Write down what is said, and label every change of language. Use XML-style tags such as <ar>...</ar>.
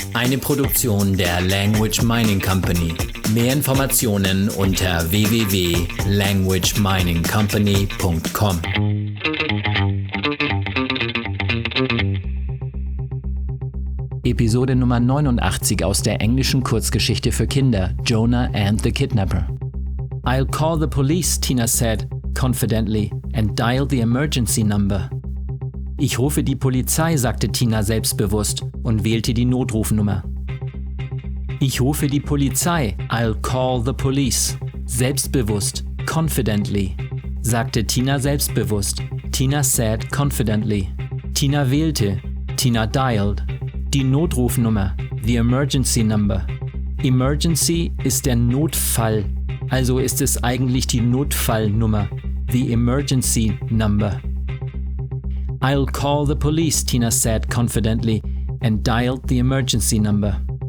<de>Eine Produktion der Language Mining Company. Mehr Informationen unter www.languageminingcompany.com. Episode Nummer 89 aus der englischen Kurzgeschichte für Kinder, Jonah and the Kidnapper.</de> <en>I'll call the police, Tina said, confidently, and dial the emergency number.</en> <de>Ich rufe die Polizei, sagte Tina selbstbewusst und wählte die Notrufnummer. Ich rufe die Polizei,</de> <en>I'll call the police,</en> <de>selbstbewusst,</de> <en>confidently,</en> <de>sagte Tina selbstbewusst,</de> <en>Tina said confidently.</en> <de>Tina wählte,</de> <en>Tina dialed.</en> <de>Die Notrufnummer,</de> <en>the emergency number.</en> <de>Emergency ist der Notfall, also ist es eigentlich die Notfallnummer,</de> <en>the emergency number. I'll call the police, Tina said confidently and dialed the emergency number.</en>